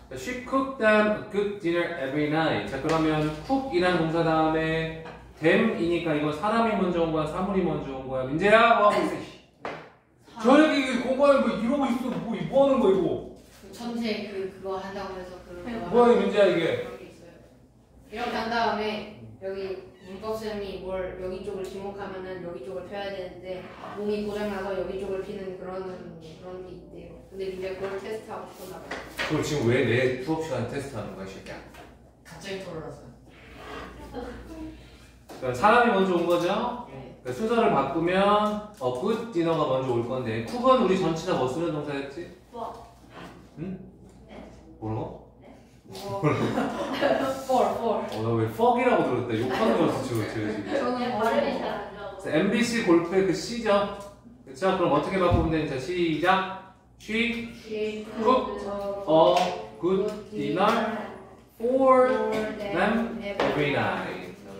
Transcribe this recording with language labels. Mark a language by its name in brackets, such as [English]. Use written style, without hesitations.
[English] She cooked them a good dinner every night. [Korean] 자, 그러면 cook이란 동사 다음에 them이니까 이거 사람이 먼저 온 거야? 사물이 먼저 온 거야? 민재야, 뭐 하고 있어? 저녁에 공부하면 뭐 이러고 있어. 뭐 하는 거야, 이거? 전체 그거 한다고 해서 그런 거. 뭐야, 민재야, 이게? 이렇게 한 다음에 여기 문법쌤이 뭘 여기 쪽을 지목하면은 여기 쪽을 펴야 되는데 몸이 고장나서 여기 쪽을 피는 그런 게 있대요. 근데 이제 그걸 테스트하고 싶어 나가. 그걸 지금 왜 내 수업 시간 테스트하는 거야, 새끼야? 갑자기 돌아왔어. 사람이 먼저 온 거죠? 네. 순서를 바꾸면 [English] a good dinner [Korean] 가 먼저 올 건데 cook은 우리 전체 다 뭐 쓰는 동사였지? 뭐? 응? 네? 뭐라고? 4 나 왜 fuck이라고 들었다. 욕하는 거 같아 지금. 저는 발음이 잘 안 나와. MBC 골프의 그 C죠? 그쵸? 그럼 어떻게 바꾸면 되는지 시작! [English] She cooked a good dinner for them every night.